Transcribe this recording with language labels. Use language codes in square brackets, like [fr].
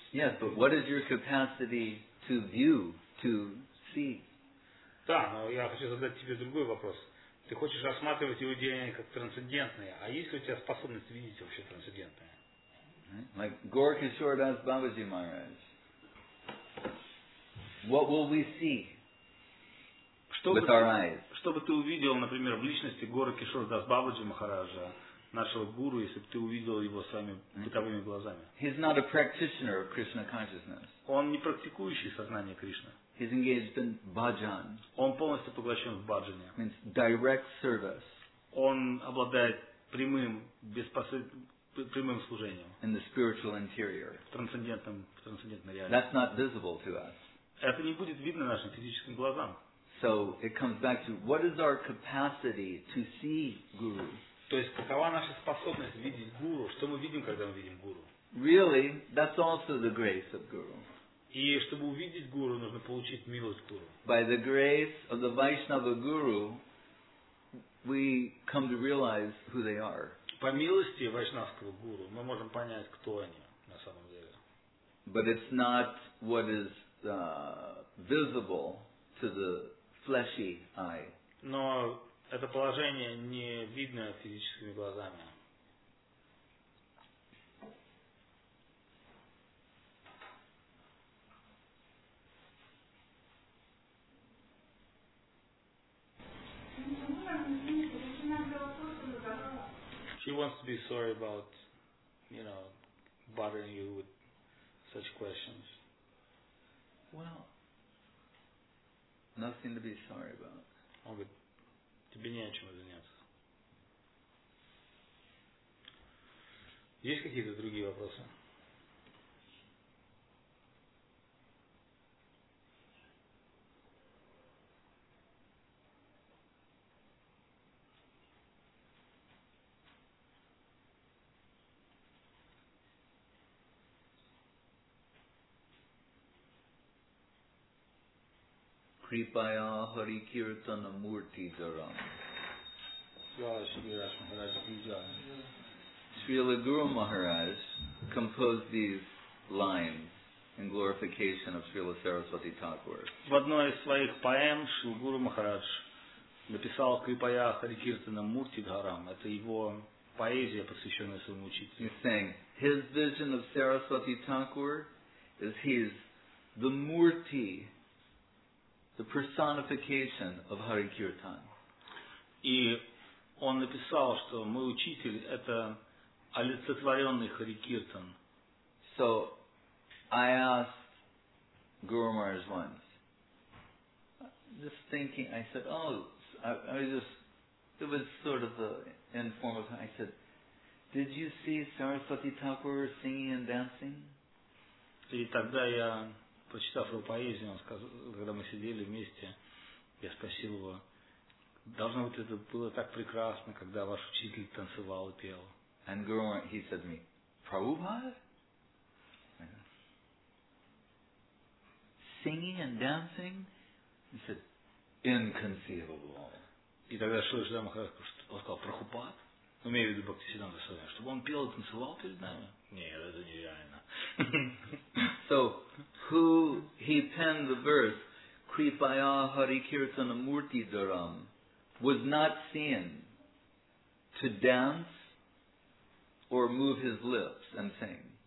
[en] Yes, but what is your capacity to view, to see? [ru] Да, но я хочу задать тебе другой вопрос. Ты хочешь рассматривать его деяния как трансцендентные, а есть ли у тебя способность видеть вообще трансцендентное? [en] Like Gaur Kishore Das Babaji Maharaj. What will we see? [ru] Что бы ты увидел, например, в личности Гора Кишор Дас Бабаджи Махараджа, нашего гуру, если бы ты увидел его своими бытовыми глазами? [en] He's not a practitioner of Krishna consciousness. [ru] Он не практикующий сознание Кришны. [en] He's engaged in bhajan. [ru] Он полностью поглощен в бхаджане. [en] Means direct service. [ru] Он обладает прямым служением. [en] In the spiritual interior. [ru] В трансцендентной реальности. [en] That's not visible to us. [ru] Это не будет видно нашим физическим глазам. [en] So it comes back to what is our capacity to see Guru? [ru] То есть какова наша способность видеть Гуру? Что мы видим, когда мы видим Гуру? [en] Really, that's also the grace of Guru. [ru] И чтобы увидеть Гуру, нужно получить милость Гуру. [en] By the grace of the Vaishnava Guru, we come to realize who they are. [ru] По милости Вайшнавского Гуру мы можем понять, кто они на самом деле. [en] But it's not what is visible to the fleshy eye. [ru] Но это положение не видно физическими глазами. Можно объяснить, почему я взяла то, что [en] She wants to be sorry about, you know, bothering you with such questions. Well, nothing to be sorry about. [ru] Он говорит, тебе не о чем извиняться. Есть какие-то другие вопросы? [en] Kripaya Hari Kirtana Murti Dharam. Srila Guru Maharaj composed these lines in glorification of Srila Saraswati Thakur. [ru] В одной из своих поэм Шрила Гуру Махарадж написал Крипая Хари Киртана Мурти Дхарам. Это его поэзия, посвященная своему учителю. [en] He's saying his vision of Saraswati Thakur is he's the Murti, the personification of Hari Kirtan. [ru] И он написал, что мой учитель это олицетворенный Хари Киртан. [en] So I asked Guru Maharaj once, just thinking, I said, it was sort of the informal time. I said, did you see Saraswati Thakur singing and dancing? [ru] И тогда я, прочитав его поэзию, он сказал, когда мы сидели вместе, я спросил его, должно быть, это было так прекрасно, когда ваш учитель танцевал и пел. [en] And Guru Maharaj, he said to me, Prabhupada? Singing and dancing? He said, inconceivable. [ru] И тогда Шрила Шрила Махарадж сказал, Прахупад? Имею в виду Бхактисиддханта Сарасвати, чтобы он пел и танцевал перед нами? Нет, это нереально. [en] So, who he penned the verse, Kripaya Hari Kirtana Murti Dharam, was not seen to dance or move his lips and sing.